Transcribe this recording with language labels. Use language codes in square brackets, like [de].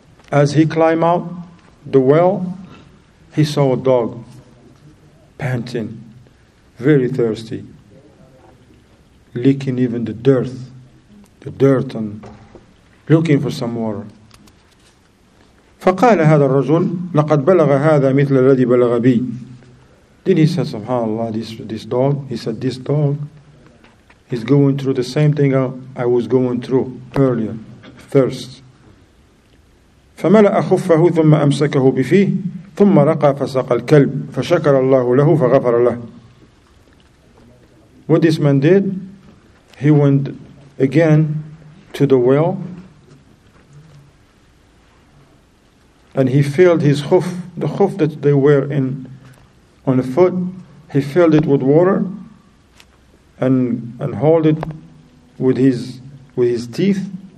[en] As he climbed out the well, he saw a dog panting, very thirsty, licking even the dirt, and looking for some water. [ar] فقال هذا الرجل لقد بلغ هذا مثل الذي بلغ بي. [en] Then he said, Subhanallah, this dog, he said, this dog is going through the same thing I was going through earlier, thirst. [ar] فملأ خفه ثم أمسكه بفيه ثم رقى فسق الكلب فشكر الله له فغفر له. [en] What this man did, he went again to the well and he filled his khuf, the khuf that they wear in on the foot, he filled it with water and hold it with his teeth.